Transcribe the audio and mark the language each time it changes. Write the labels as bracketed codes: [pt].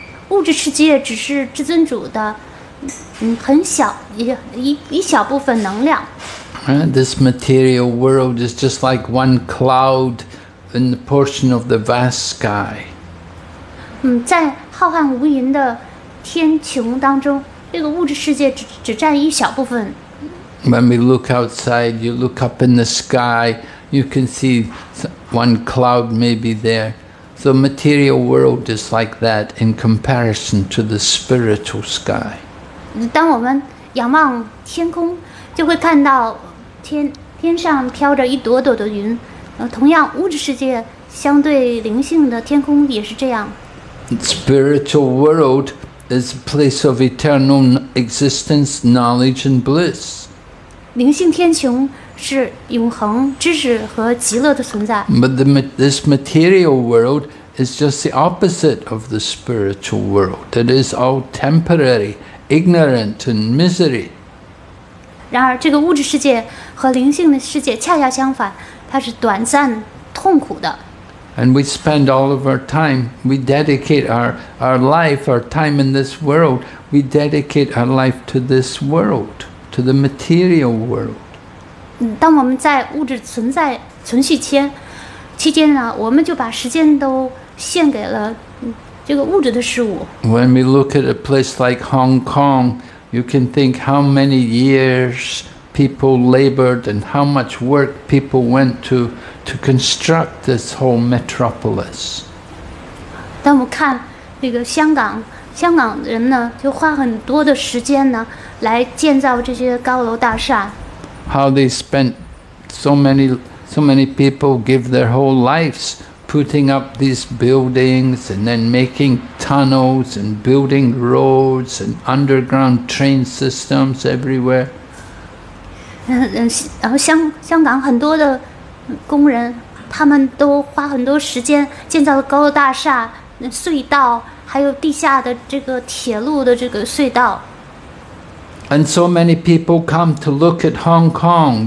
[zh] 物质世界只是至尊主的很小一小部分能量。 [en] This material world is just like one cloud in the portion of the vast sky. [zh] 在浩瀚无垠的天穹当中，这个物质世界只占一小部分。 [en] When we look outside, you look up in the sky, you can see one cloud maybe there. So material world is like that in comparison to the spiritual sky. [zh] 当我们仰望天空，就会看到天上飘着一朵朵的云，同样物质世界相对灵性的天空也是这样。 [en] Spiritual world is a place of eternal existence, knowledge and bliss. [zh] 灵性天穹是永恒知识和极乐的存在。 [en] But this material world is just the opposite of the spiritual world. It is all temporary, ignorant and misery. [zh] 然而这个物质世界和灵性的世界恰恰相反，它是短暂痛苦的。 [en] And we spend all of our time, we dedicate our life, our time in this world, we dedicate our life to this world, to the material world. [zh] 当我们在物质存续期间呢，我们就把时间都献给了这个物质的事物。 [en] When we look at a place like Hong Kong,You can think how many years people labored and how much work people went to construct this whole metropolis. [zh] 当我们看那个香港人呢，就花很多的时间呢，来建造这些高楼大厦。 [en] How they spent so many people give their whole lives putting up these buildings and then making. Tunnels and building roads and underground train systems everywhere. [zh] 然后香港很多的工人，他们都花很多时间建造了高楼大厦、隧道，还有地下的这个铁路的这个隧道。 [en] And so many people come to look at Hong Kong.